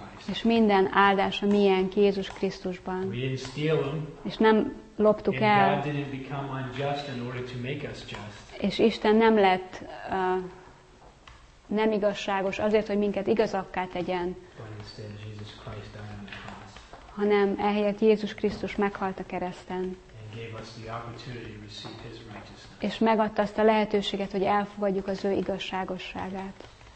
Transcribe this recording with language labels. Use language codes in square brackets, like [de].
[hu] És minden áldás a miénk Jézus Krisztusban. [en] We didn't steal them, [hu] és nem loptuk [en] and [hu] el. [en] God didn't become unjust in order to make us just. [hu] És Isten nem lett nem igazságos azért, hogy minket igazakká tegyen. [en] But instead Jesus Christ died on the cross. [hu] Hanem ehelyett Jézus Krisztus meghalt a kereszten. [en] And gave us the opportunity to receive his righteousness. [hu] És megadta azt a lehetőséget, hogy elfogadjuk az ő igazságosságát.